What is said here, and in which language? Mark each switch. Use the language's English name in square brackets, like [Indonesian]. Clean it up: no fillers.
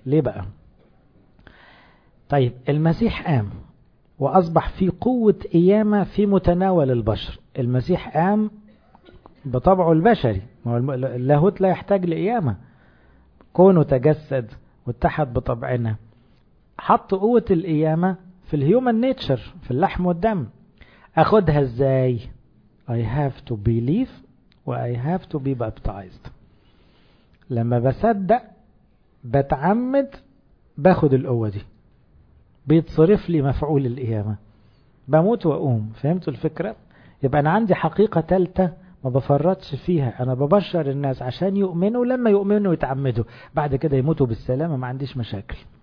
[Arabic] ليه بقى؟ طيب المسيح قام وأصبح في قوة قيامة في متناول البشر، المسيح قام بطبعه البشري، اللاهوت لا يحتاج لقيامة، كونه تجسد واتحد بطبعنا، حط قوة القيامة في [English] الهيومن نيتشر، [Arabic] في اللحم والدم. أخدها إزاي؟ [English] I have to believe and I have to be baptized. [Arabic] لما بصدق بتعمد باخد القوة دي، بيتصرف لي مفعول القيامة، بموت وأقوم. فهمتوا الفكرة؟ يبقى أنا عندي حقيقة تالتة ما بفرطش فيها، أنا ببشر الناس عشان يؤمنوا، لما يؤمنوا يتعمدوا بعد كده يموتوا بالسلامة، ما عنديش مشاكل.